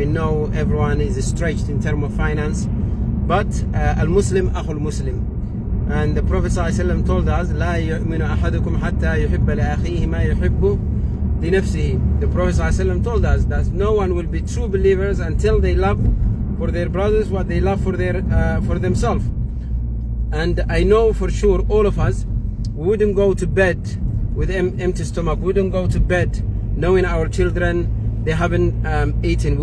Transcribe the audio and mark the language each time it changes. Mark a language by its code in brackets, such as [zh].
[en] We know everyone is stretched in terms of finance, but [ar] al-Muslim akhul Muslim. [en] And the Prophet ﷺ told us, [ar] لا يؤمن أحدكم حتى يحب لأخيه ما يحب لنفسه. [en] The Prophet ﷺ told us that no one will be true believers until they love for their brothers what they love for their for themselves. And I know for sure all of us wouldn't go to bed with empty stomach, wouldn't go to bed knowing our children, they haven't eaten.